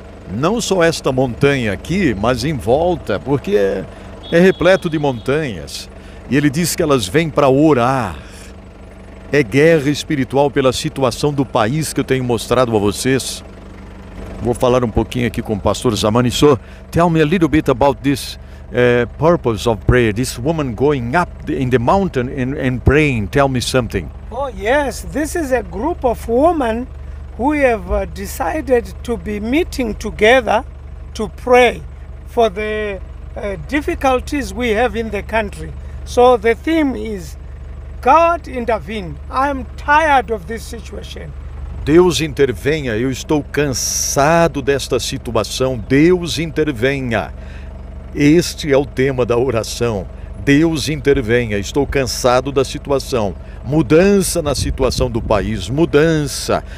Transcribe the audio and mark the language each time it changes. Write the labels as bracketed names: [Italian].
[Portuguese] Não só esta montanha aqui, mas em volta, porque é repleto de montanhas. E ele diz que elas vêm para orar. É guerra espiritual pela situação do país que eu tenho mostrado a vocês. Vou falar um pouquinho aqui com o pastor Zamani. [English] So, tell me a little bit about this purpose of prayer. This woman going up in the mountain and praying. Tell me something. Oh, yes. This is a group of women who have decided to be meeting together to pray for the difficulties we have in the country. So the theme is God intervene. I'm tired of this situation. [Portuguese] Deus intervenha, eu estou cansado desta situação. Deus intervenha. Este é o tema da oração. Deus intervenha, estou cansado da situação. Mudança na situação do país, mudança.